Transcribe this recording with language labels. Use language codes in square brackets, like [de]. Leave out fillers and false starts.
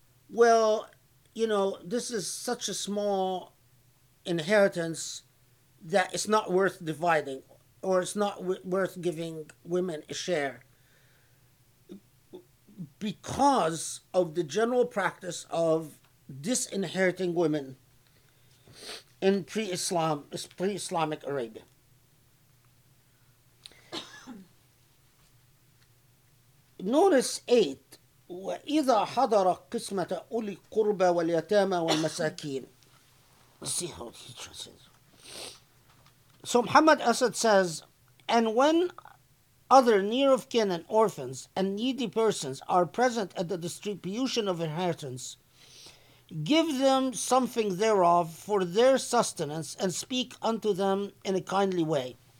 [en] well, you know, this is such a small inheritance that it's not worth dividing, or it's not worth giving women a share, because of the general practice of disinheriting women in pre-Islamic Arabia. Notice 8, [ar] وَإِذَا حَضَرَ قِسْمَةَ أُولِي الْقُرْبَى وَالْيَتَامَى وَالْمَسَاكِينَ. [en] Let's see how he translates. So Muhammad Asad says, and when other near of kin and orphans and needy persons are present at the distribution of inheritance, give them something thereof for their sustenance and speak unto them in a kindly way.